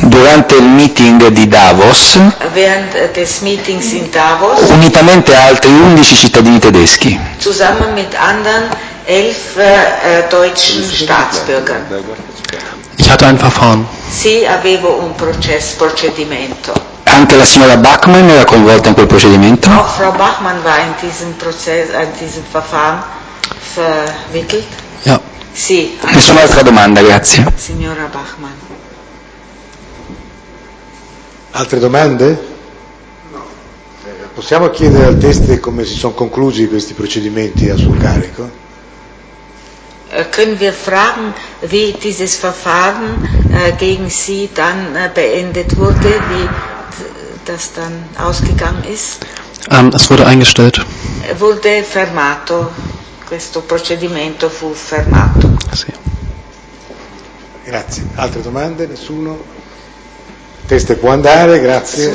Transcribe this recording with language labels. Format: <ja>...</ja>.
<it>Durante il meeting di Davos,</it> <de>während des Meetings in Davos,</de> <it>unitamente a altri 11 cittadini tedeschi,</it> <de>zusammen mit anderen 11 deutschen Staatsbürgern. Ich hatte ein Verfahren.</de> <it>Sì, avevo un procedimento. Anche la signora Bachmann era coinvolta in quel procedimento?</it> <de>No, Frau Bachmann war in diesem Prozess, in diesem Verfahren verwickelt. Ja.</de> <it>Sì. Nessuna altra domanda, grazie. Signora Bachmann. Altre domande? No. Possiamo chiedere al teste come si sono conclusi questi procedimenti a suo carico?</it> <de>Können wir fragen, wie dieses Verfahren gegen Sie dann beendet wurde, wie das dann ausgegangen ist? Es wurde eingestellt. Wurde</de> <it>fermato. Questo procedimento fu fermato. Sì. Grazie. Altre domande? Nessuno? Teste può andare, grazie.</it>